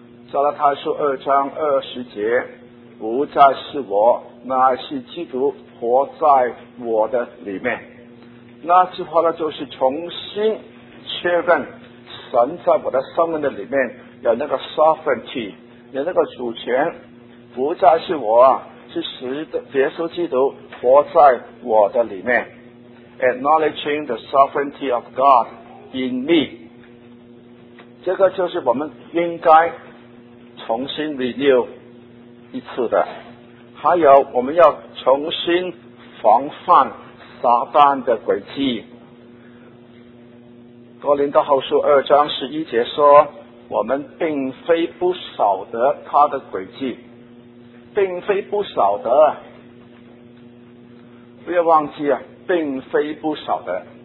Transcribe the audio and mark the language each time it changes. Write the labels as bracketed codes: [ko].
[zh] 加拉太书2:20，不再是我，乃是基督活在我的里面。那句话呢，就是重新切断神在我的生命的里面有那个 sovereignty， 有那个主权，不再是我啊，是使耶稣基督活在我的里面。 [en] Acknowledging the sovereignty of God in me， [zh] 这个就是我们应该重新 [en] renew [zh] 一次的。还有我们要重新防范撒旦的诡计。哥林多后书二章十一节说，我们并非不晓得他的诡计，并非不晓得，不要忘记啊，并非不晓得。